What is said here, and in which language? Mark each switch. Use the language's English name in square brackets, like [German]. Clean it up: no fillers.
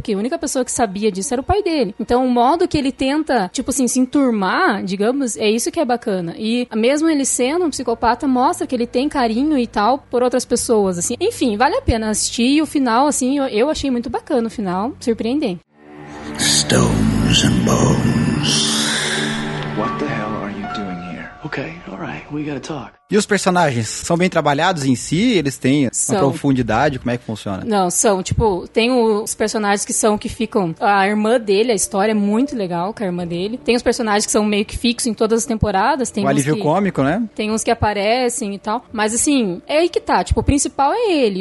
[Portuguese] Que a única pessoa que sabia disso era o pai dele. Então, o modo que ele tenta, tipo assim, se enturmar, digamos, é isso que é bacana. E mesmo ele sendo um psicopata, mostra que ele tem carinho e tal por outras pessoas, assim. Enfim, vale a pena assistir. E o final, assim, eu achei muito bacana o final. Surpreendente. [English] Stones and bones. What the hell are you doing? Ok, all right, we gotta talk. [Portuguese] E os personagens, são bem trabalhados em si? Eles têm uma profundidade? Como é que funciona? Não, são, tipo, tem os personagens que são, que ficam, a irmã dele, a história é muito legal com a irmã dele. Tem os personagens que são meio que fixos em todas as temporadas. Tem um alívio cômico, né? Tem uns que aparecem e tal. Mas, assim, é aí que tá. Tipo, o principal é ele.